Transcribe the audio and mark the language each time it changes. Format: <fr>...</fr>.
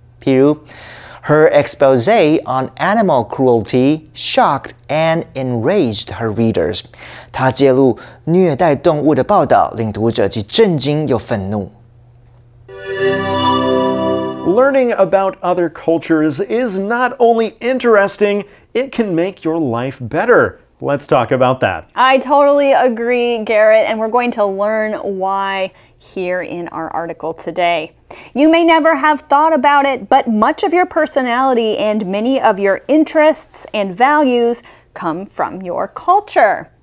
<zh>譬如</zh> <en>Her expose on animal cruelty shocked and enraged her readers.</en> <zh>她揭露虐待动物的报道，令读者既震惊又愤怒。</zh> <en>Learning about other cultures is not only interesting, it can make your life better. Let's talk about that. I totally agree, Garrett, and we're going to learn why. Here in our article today. You may never have thought about it, but much of your personality and many of your interests and values come from your culture.</en>